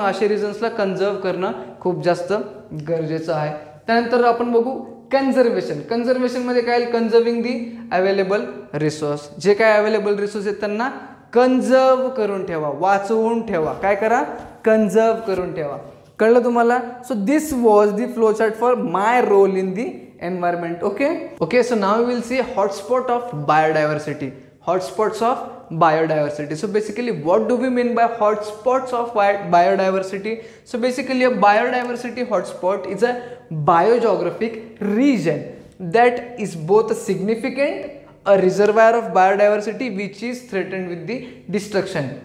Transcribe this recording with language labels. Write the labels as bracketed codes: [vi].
[mr] मग असे रिजन्सला कन्झर्व करणं खूप जास्त गरजेचं आहे. त्यानंतर आपण बघू कन्झर्वेशन. कन्झर्वेशनमध्ये काय, [en] conserving the available resource, [mr] जे काय अवेलेबल रिसोर्स आहेत त्यांना कन्झर्व करून ठेवा, वाचवून ठेवा, काय करा, कन्झर्व करून ठेवा. कळलं तुम्हाला? [en] So this was the flow chart for my role in the environment. Okay okay, so now we will see hotspot of biodiversity. Hotspots of biodiversity, so basically what do we mean by hotspots of biodiversity. So basically a biodiversity hotspot is a biogeographic region that is both a significant a reservoir of biodiversity which is threatened with the destruction.